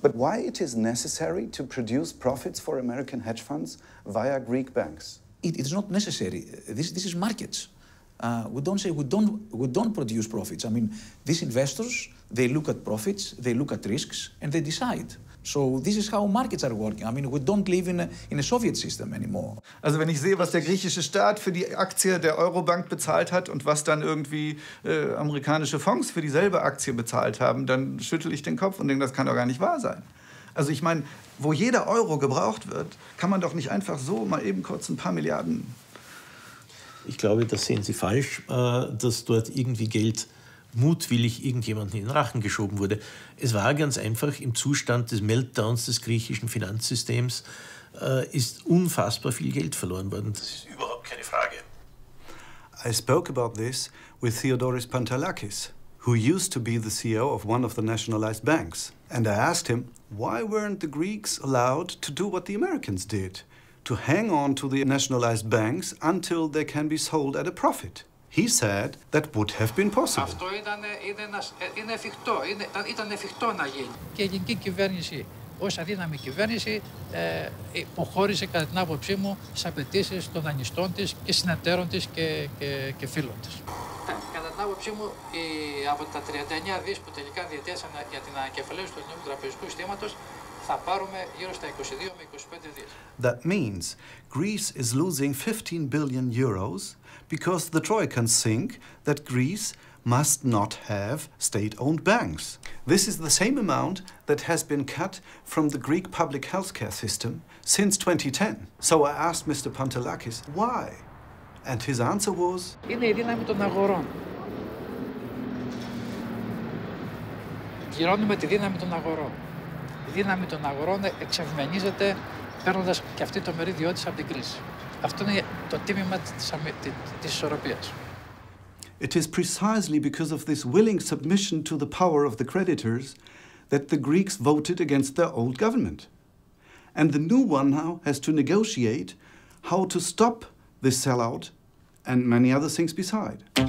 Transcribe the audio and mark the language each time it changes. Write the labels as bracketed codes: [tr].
[en] But why it is necessary to produce profits for American hedge funds via Greek banks? It is not necessary. This is markets. We don't produce profits. I mean, these investors, they look at profits, they look at risks, and they decide. So this is how markets are working. I mean, we don't live in a Soviet system anymore. [de] Also wenn ich sehe, was der griechische Staat für die Aktie der Eurobank bezahlt hat und was dann irgendwie amerikanische Fonds für dieselbe Aktie bezahlt haben, dann schüttel ich den Kopf und denke, das kann doch gar nicht wahr sein. Also ich meine, wo jeder Euro gebraucht wird, kann man doch nicht einfach so mal eben kurz ein paar Milliarden. Ich glaube, das sehen Sie falsch, dass dort irgendwie Geld mutwillig irgendjemanden in den Rachen geschoben wurde. Es war ganz einfach, im Zustand des Meltdowns des griechischen Finanzsystems ist unfassbar viel Geld verloren worden. Das ist überhaupt keine Frage. [en] I spoke about this with Theodoris Pantalakis, who used to be the CEO of one of the nationalized banks. And I asked him, why weren't the Greeks allowed to do what the Americans did, to hang on to the nationalized banks until they can be sold at a profit? He said that would have been possible. [el] Αυτό ήταν εφικτό. Ήταν εφικτό να γίνει. Και η ελληνική κυβέρνηση, ως αδύναμη κυβέρνηση, υποχώρησε κατά την άποψή μου στις απαιτήσεις των δανειστών της και συνεταίρων της και φίλων της. Κατά την άποψή μου, από τα 39 δις που τελικά διαιτέθησαν για την ανακεφαλαίωση του ελληνικού τραπεζικού συστήματος, θα πάρουμε γύρω στα 22 με 25 δις. [en] That means Greece is losing 15 billion euros because the Troikans think that Greece must not have state-owned banks. This is the same amount that has been cut from the Greek public healthcare system since 2010. So I asked Mr. Pantalakis why, and his answer was... [el] Είναι η δύναμη των αγορών. Πληρώνουμε τη δύναμη των αγορών. Η δύναμη των αγορών εξευμενίζεται παίρνοντας και αυτή το μερίδιό της από την κρίση. Αυτό είναι το τίμημα της ισορροπίας. [en] It is precisely because of this willing submission to the power of the creditors that the Greeks voted against their old government. And the new one now has to negotiate how to stop this sellout and many other things beside.